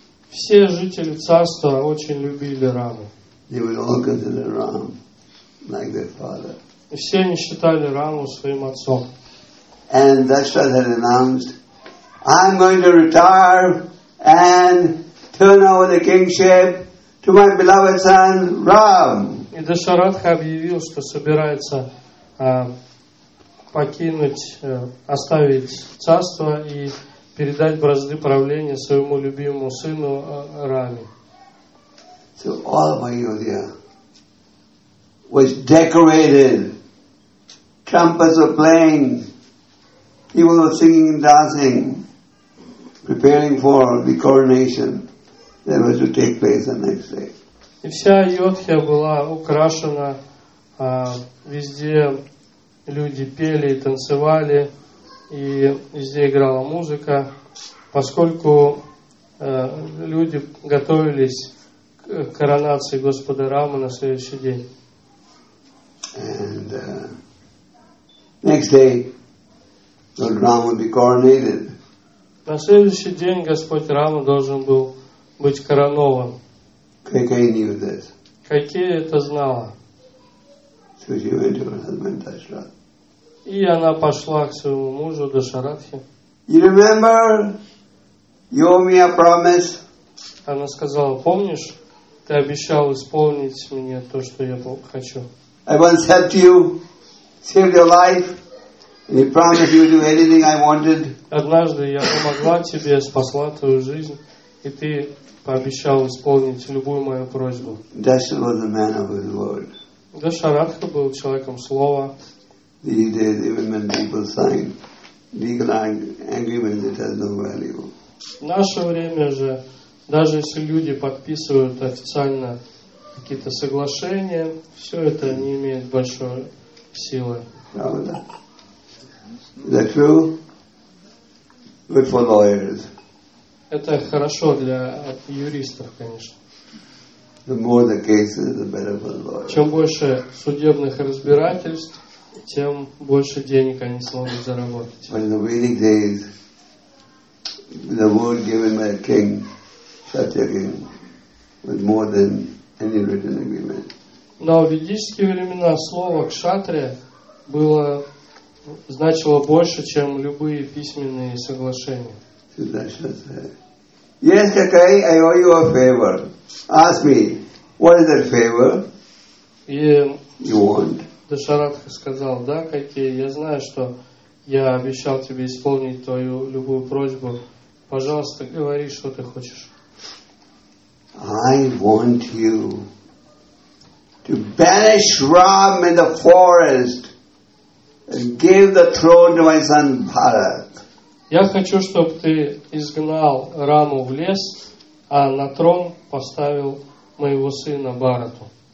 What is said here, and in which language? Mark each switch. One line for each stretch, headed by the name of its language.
Russian: Все жители царства очень любили Раму.
English: They would all consider Ram like their father.
Russian: И все они считали Раму своим отцом.
English: And Dashrath had announced, "I'm going to retire and turn over the kingship to my beloved son Ram."
Russian: И Дашаратха объявил, что собирается покинуть, оставить царство и передать бразды правления своему любимому сыну Раме.
English: So all of Ayodhya was decorated. Trumpets were playing. People were singing and dancing, preparing for the coronation that was to take place the next day.
Russian: И вся Айодхья была украшена, везде люди пели и танцевали, и везде играла музыка, поскольку люди готовились к коронации Господа Рамы на следующий день.
English: And next day, Lord Rama would be coronated.
Russian: На следующий день Господь Рама должен был быть коронован.
English: Kaikeyi knew this.
Russian: Kaikeyi это знала.
English: So she went to her husband Dashrath.
Russian: И она пошла к своему мужу Дашаратхе.
English: You remember? You owe me a promise.
Russian: Она сказала, помнишь, Ты обещал исполнить мне то, что я хочу.
English: I once helped you, saved your life, and you promised you would do anything I wanted.
Russian: Однажды я помогла тебе, спасла твою жизнь, и ты пообещал исполнить любую мою просьбу.
English: Dasha was a man of his word.
Russian: Дашарадха был человеком слова.
English: These days, even when people sign legal agreements, it has no value.
Russian: В наше время же, даже если люди подписывают официально какие-то соглашения, все это не имеет большой силы. Правда?
English: Is that true? Good for lawyers.
Russian: Это хорошо для юристов, конечно.
English: The more the cases, the better for lawyers.
Russian: Чем больше судебных разбирательств, тем больше денег они смогут заработать.
English: But in the beginning days, the word given by a king, such a king, was more than any written agreement.
Russian: Но в ведические времена слово кшатрия было значило больше, чем любые письменные соглашения.
English: Siddhartha said, "Yes, Kakai, I owe you a favor. Ask me, what is that favor you want?"
Russian: Дашаратха сказал, да, Кайкей, я знаю, что я обещал тебе исполнить твою любую просьбу. Пожалуйста, говори, что ты хочешь.
English: I want you to banish Ram in the forest and give the throne to my son Bharat.
Russian: Я хочу, чтобы ты изгнал Раму в лес, а на трон поставил моего сына Бхарату.